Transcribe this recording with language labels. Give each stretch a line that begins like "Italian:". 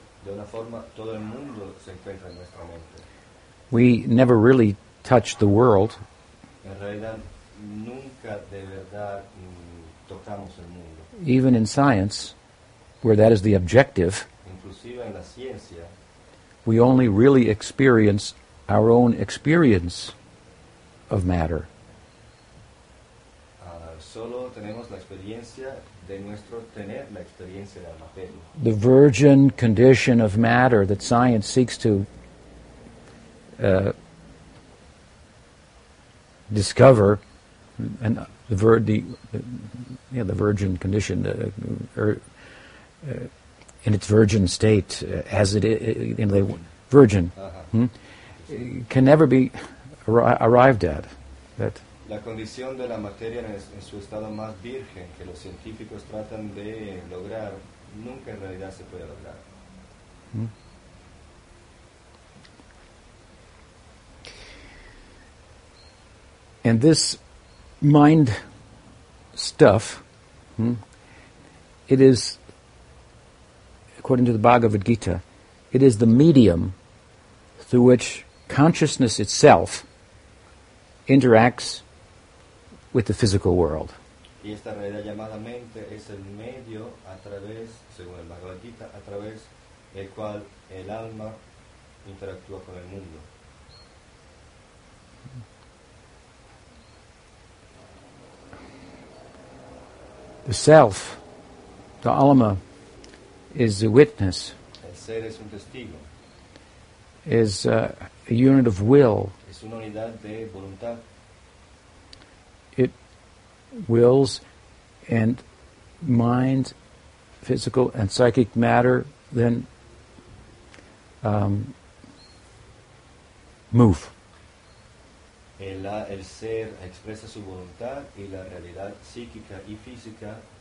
Spanish: De una forma, todo el mundo se encuentra en nuestra mente.
English: We never really touch the world.
Spanish: En realidad, nunca de verdad, tocamos el mundo.
English: Even in science, where that is the objective,
Spanish: inclusive en la ciencia,
English: we only really experience our own experience of matter.
Spanish: Solo tenemos la experiencia de nuestro tener la experiencia de la materia.
English: The virgin condition of matter that science seeks to discover and the virgin condition, in its virgin state, as it is, in the virgin, can never be arrived at. That
Spanish: la condición de la materia en su estado más virgen que los científicos tratan de lograr nunca en realidad se puede lograr.
English: And this mind stuff, it is, according to the Bhagavad Gita, it is the medium through which consciousness itself interacts with the physical world.
Spanish: Y esta realidad llamada mente es el medio a través, según el Bhagavad Gita, a través el cual el alma interactúa con el mundo.
English: The self, the alma, is a witness.
Spanish: El ser es un testigo.
English: Is a unit of will.
Spanish: Es una unidad de voluntad.
English: It wills and mind, physical and psychic matter then move.
Spanish: El ser expresa su voluntad y la realidad psíquica y física.